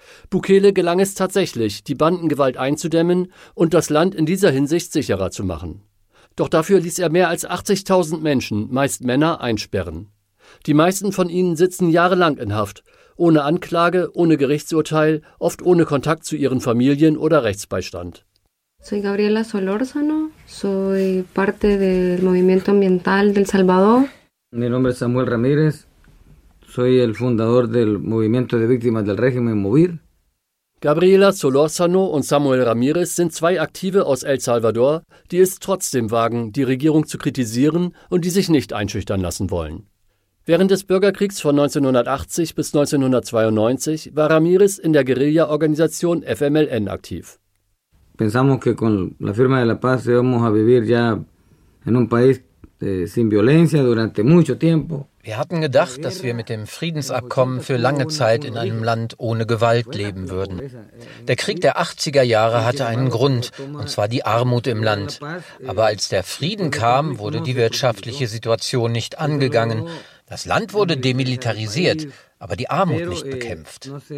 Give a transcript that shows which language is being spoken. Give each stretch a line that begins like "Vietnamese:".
German: Bukele gelang es tatsächlich, die Bandengewalt einzudämmen und das Land in dieser Hinsicht sicherer zu machen. Doch dafür ließ er mehr als 80.000 Menschen, meist Männer, einsperren. Die meisten von ihnen sitzen jahrelang in Haft, ohne Anklage, ohne Gerichtsurteil, oft ohne Kontakt zu ihren Familien oder Rechtsbeistand.
Spanish: Soy Gabriela Solórzano, soy parte del movimiento ambiental del Salvador. Mi nombre es Samuel Ramírez, soy el fundador del movimiento de víctimas del régimen Movir.
German: Gabriela Solórzano und Samuel Ramírez sind zwei Aktive aus El Salvador, die es trotzdem wagen, die Regierung zu kritisieren und die sich nicht einschüchtern lassen wollen. Während des Bürgerkriegs von 1980 bis 1992 war Ramirez in der Guerilla-Organisation FMLN aktiv.
Spanish: Pensamos que con la firma de la paz íbamos a vivir ya en un país sin violencia durante mucho tiempo.
German: Wir hatten gedacht, dass wir mit dem Friedensabkommen für lange Zeit in einem Land ohne Gewalt leben würden. Der Krieg der 80er Jahre hatte einen Grund, und zwar die Armut im Land. Aber als der Frieden kam, wurde die wirtschaftliche Situation nicht angegangen. Das Land wurde demilitarisiert, aber die Armut nicht bekämpft.